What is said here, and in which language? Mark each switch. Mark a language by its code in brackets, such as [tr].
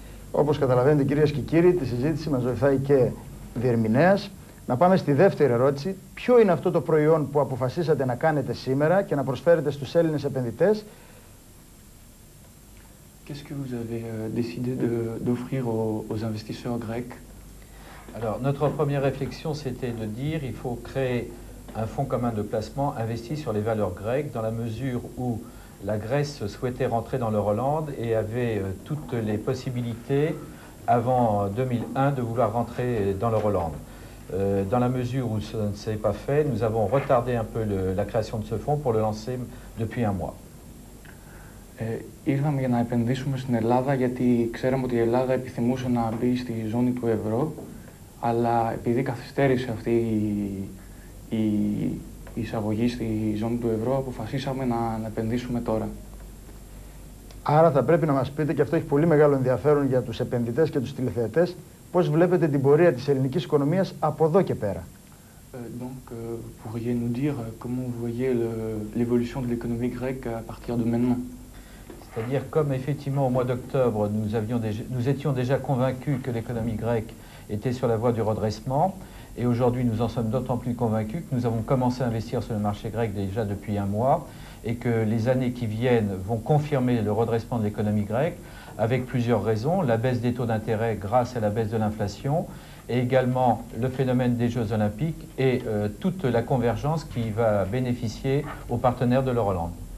[el] Όπως καταλαβαίνετε, κυρίες και κύριοι, τη συζήτηση μας βοηθάει και διερμηνέας. Να πάμε στη δεύτερη ερώτηση. Ποιο είναι αυτό το προϊόν που αποφασίσατε να κάνετε σήμερα και να προσφέρετε στους Έλληνες επενδυτές? [fr] Qu'est-ce que vous avez décidé d'offrir aux investisseurs grecs? Alors, notre première réflexion, c'était de dire il faut créer un fonds commun de placement investi sur les valeurs grecques dans la mesure où la Grèce souhaitait rentrer dans l'Euroland et avait toutes les possibilités avant 2001 de vouloir rentrer dans l'Euroland. Dans la mesure où ça ne s'est pas fait, nous avons retardé un peu la création de ce fonds pour le lancer depuis un mois. [el] Ήρθαμε για να επενδύσουμε στην Ελλάδα γιατί ξέραμε ότι η Ελλάδα επιθυμούσε να μπει στη ζώνη του ευρώ, αλλά επειδή καθυστέρησε αυτή η εισαγωγή στη ζώνη του ευρώ, αποφασίσαμε να επενδύσουμε τώρα. Άρα θα πρέπει να μας πείτε, και αυτό έχει πολύ μεγάλο ενδιαφέρον για τους επενδυτές και τους τηλεθεατές, πώς βλέπετε την πορεία της ελληνικής οικονομίας από εδώ και πέρα. [fr] Donc, pourriez nous dire comment vous voyez l'évolution de l'économie grecque à partir de maintenant? C'est-à-dire, comme effectivement au mois d'octobre, nous étions déjà convaincus que l'économie grecque était sur la voie du redressement, et aujourd'hui nous en sommes d'autant plus convaincus que nous avons commencé à investir sur le marché grec déjà depuis un mois, et que les années qui viennent vont confirmer le redressement de l'économie grecque, avec plusieurs raisons, la baisse des taux d'intérêt grâce à la baisse de l'inflation, et également le phénomène des Jeux Olympiques, et toute la convergence qui va bénéficier aux partenaires de l'Euroland.